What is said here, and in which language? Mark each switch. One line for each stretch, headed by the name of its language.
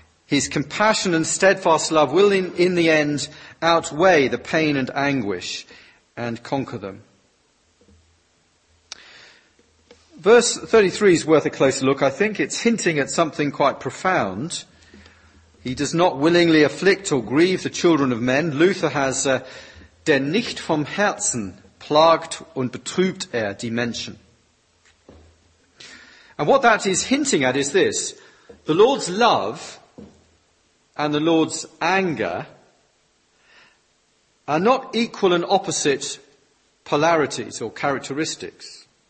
English: His compassion and steadfast love will in the end outweigh the pain and anguish and conquer them. Verse 33 is worth a closer look, I think. It's hinting at something quite profound. He does not willingly afflict or grieve the children of men. Luther has
German: denn nicht vom Herzen plagt und betrübt er die Menschen.
English: And what that is hinting at is this. The Lord's love and the Lord's anger are not equal and opposite polarities or characteristics.